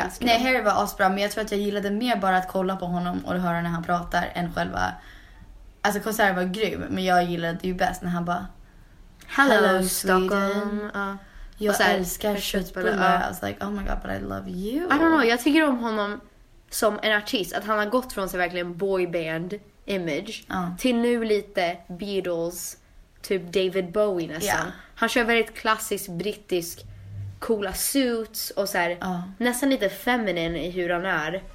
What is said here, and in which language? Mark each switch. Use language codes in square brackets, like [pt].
[sv] Nej, Harry var asbra, men jag tror att jag gillade mer bara att kolla på honom och höra när han pratar än själva. Alltså konserten var grym, men jag gillade det ju bäst när han bara [en] Hello Stockholm. [sv] Jag så här, älskar köttbullar. [en] I was like, oh my god, but I love you. I don't know, [sv] jag tycker om honom som en artist. Att han har gått från sig verkligen boyband image. Till nu lite Beatles, typ David Bowie nästan. Yeah. Han kör väldigt klassisk brittisk, coola suits. Och så här, nästan lite feminine i hur han är.